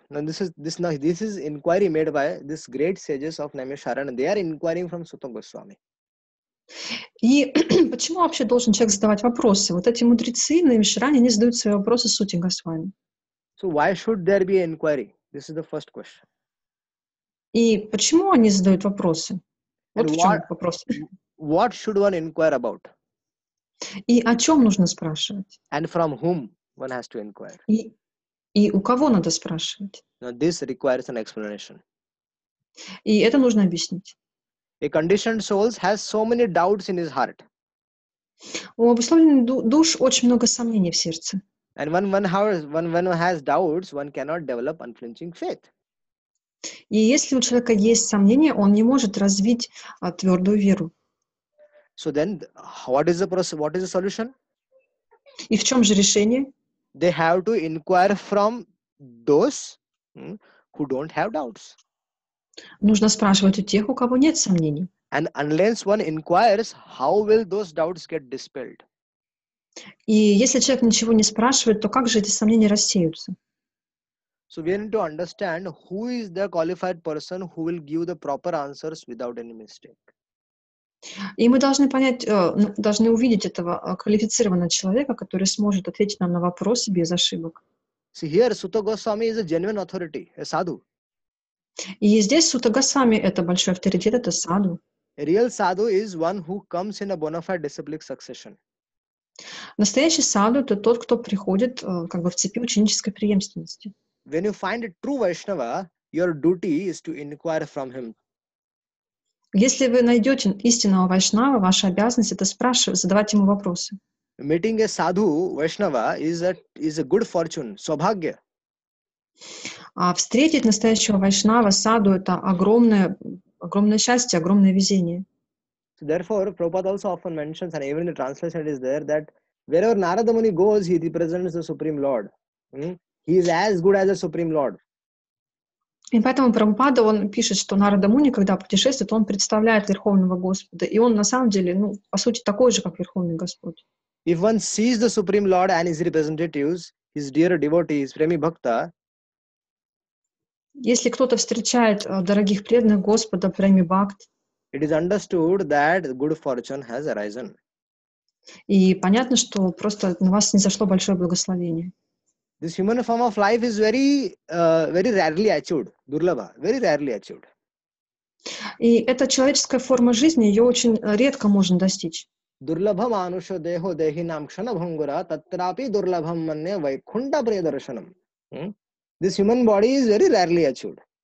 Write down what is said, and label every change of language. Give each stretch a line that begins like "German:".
English: Now this is inquiry made by this great sages of Naimisharana. They are inquiring from Sutta Goswami.
Russian: И почему вообще должен человек задавать вопросы? Вот эти мудрецы Наймишарани, они задают свои вопросы Сути Госвами.
English: So why should there be an inquiry? This is the first question.
Russian: И почему они задают вопросы? Вот в чем вопрос.
English: What should one inquire about?
Russian: И о чем нужно спрашивать?
English: And from whom one has to inquire?
Russian: И у кого надо спрашивать?
English: Now this requires an explanation.
Russian: И это нужно объяснить.
English: A conditioned soul has so many doubts in his heart.
Russian: У обусловленных душ очень много сомнений в сердце.
English: And when one has doubts, one cannot develop unflinching faith.
Russian: И если у человека есть сомнения, он не может развить твердую веру.
English: So then, what is the solution?
Russian: И в чем же решение?
English: They have to inquire from those who don't have doubts.
Russian: Нужно спрашивать у тех, у кого нет сомнений.
English: And unless one inquires, how will those doubts get dispelled?
Russian: И если человек ничего не спрашивает, то как же эти сомнения рассеются?
English: So we need to understand who is the qualified person who will give the proper answers without any mistake.
Russian: И мы должны понять, должны увидеть этого квалифицированного человека, который сможет ответить нам на вопросы без ошибок.
English: See, here Sutta Goswami is a genuine authority, a sadhu.
Russian: И здесь Сутта Госвами — это большой авторитет, это саду.
English: A real sadhu is one who comes in a bona fide disciplic succession.
Russian: Настоящий саду — это тот, кто приходит как бы в цепи ученической преемственности.
English: When you find a true Vaishnava, your duty is to inquire from him.
Russian: Если вы найдете истинного вайшнава, ваша обязанность — это спрашивать, задавать ему вопросы.
English: Meeting a sadhu vaishnava is a good fortune, сабхагья.
Russian: А встретить настоящего вайшнава, саду — это огромное счастье, огромное везение.
English: So therefore, Prabhupada also often mentions, and even in the translation is there, that wherever Narada Muni goes, he represents the Supreme Lord. He is as good as the Supreme Lord.
Russian: И поэтому Прабхупада, он пишет, что Нарада Муни, когда путешествует, он представляет Верховного Господа. И он на самом деле, ну, по сути, такой же, как Верховный Господь.
English: If one sees the Supreme Lord and his representatives, his dear devotees, Premi Bhakta.
Russian: Если кто-то встречает дорогих преданных Господа, Преми Бхакт.
English: It is understood that good fortune has arisen.
Russian: И понятно, что просто на вас снизошло большое благословение.
English: This human form of life is very, very rarely achieved. Durlabha, very rarely achieved.
Russian: И эта человеческая форма жизни, ее очень редко можно достичь.
Sanskrit: Durlabha manusha deho dehi namkshana bhangura tatrapi durlabham manne vaikhunda priyadarshanam.
English: This human body is very rarely achieved.